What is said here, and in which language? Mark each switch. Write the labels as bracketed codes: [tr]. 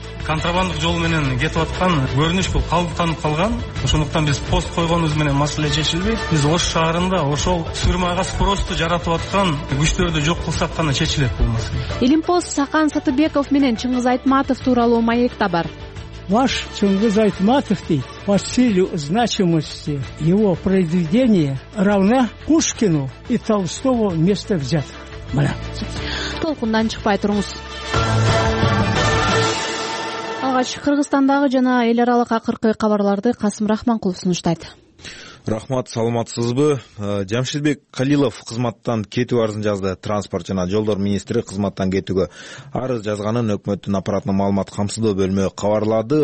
[ky] Контрабандык жол менен кетип аткан көрүнүш бул калыптанып калган. Ошондуктан биз пост койгонубуз менен маселе чечилбей, биз Ош шаарында ошол сурмага спросту жаратып аткан күчтөрдү жок кылсак гана чечилет бул маселе. Илимпост Сакан Сатыбеков менен Чыңгыз Айтматов тууралуу маекте бар. Ваш Чыңгыз Айтматов дейт. [ru] По силе значимости его произведения равна Пушкину и Толстого вместе взятых. [ky] Мына. Толкундан чыкпай туруңуз. Алгач Кыргызстандагы жана эл аралык акыркы кабарларды Касым Рахманкулов сунуштайт. Рахмат, саламатсызбы. Жамшитбек Калилов кызматтан кетүү арызын жазды. Транспорт жана жолдор министри кызматтан кетүүгө арыз жазганын өкмөттүн аппаратынын маалымат камсыздоо бөлмө кабарлады.